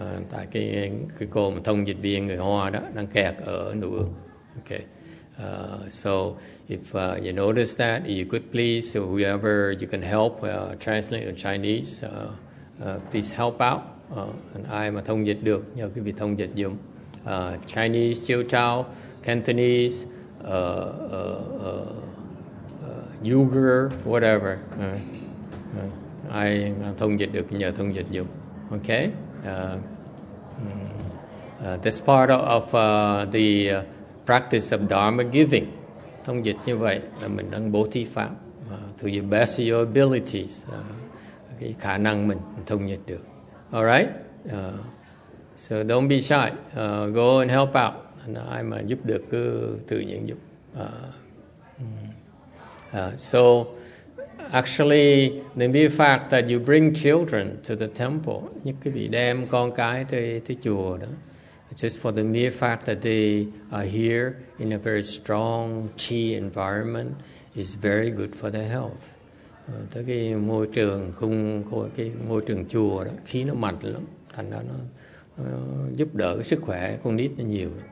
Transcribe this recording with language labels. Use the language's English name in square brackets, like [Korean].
[Vietnamese] Tại cái cô mà thông dịch viên người Hoa đó đang kẹt ở New York. [English] Okay. So if you notice that, you could please, whoever you can help translate in Chinese, please help out. [Vietnamese] And ai mà thông dịch được, nhờ quý vị thông dịch dùm. Chinese, Chiêu Chao, Cantonese, Uyghur, whatever. Ai mà thông dịch được, nhờ thông dịch dùm. [English] Okay? That's part of the practice of Dharma giving. [Vietnamese] Thông dịch như vậy là mình đang bố thí pháp. [English] To the best of your abilities. [Vietnamese] Cái khả năng mình thông dịch được. [English] All right? So don't be shy. Go and help out. [Vietnamese] And ai mà giúp được cứ tự nhiên giúp. [English] So actually, the mere fact that you bring children to the temple, [Vietnamese] những cái vị đem con cái tới chùa đó, [English] just for the mere fact that they are here in a very strong chi environment is very good for their health. [Vietnamese] Tới cái môi trường không có cái môi trường chùa đó, khí nó mạnh lắm, thành ra nó giúp đỡ cái sức khỏe con nít nó nhiều.